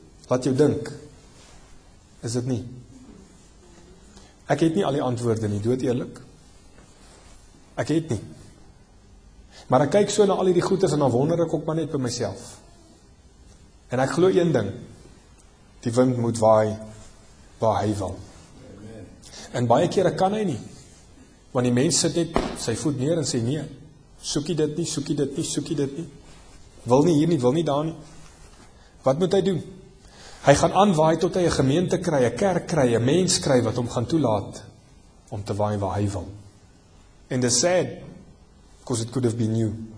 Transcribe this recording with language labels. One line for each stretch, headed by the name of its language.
Afrikaans: Laat jou dink, is dit nie? Ek het nie al die antwoorde nie, dood eerlik. Ek het nie. Maar ek kyk so na al die goeders en dan wonder ek ook maar net by myself. En ek glo een ding, die wind moet waai waar hy wil. En baie kere kan hy nie, want die mens sit net sy voet neer en sê nee, soekie dit nie, wil nie hier nie, wil nie daar nie. Wat moet hy doen? Hy gaan aanwaai tot hy 'n gemeente kry, 'n kerk kry, 'n mens kry wat hom gaan toelaat om te waai waar hy wil. En dis
English: sad, because it could have been you.